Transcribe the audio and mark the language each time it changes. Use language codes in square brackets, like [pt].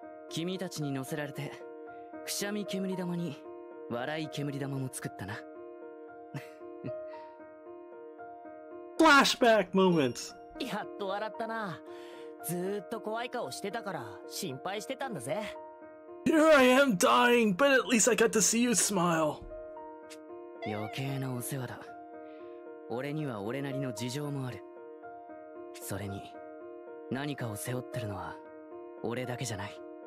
[ja] 君たちに乗せられてくしゃみ煙玉に笑い煙玉も作ったな。 [en] フラッシュバックモーメント。 [ja] やっと笑ったな。ずーっと怖い顔してたから心配してたんだぜ。 [en] Here I am dying, but at least I got to see you smile. [ja] 余計なお世話だ。俺には俺なりの事情もある。それに何かを背負ってるのは俺だけじゃない。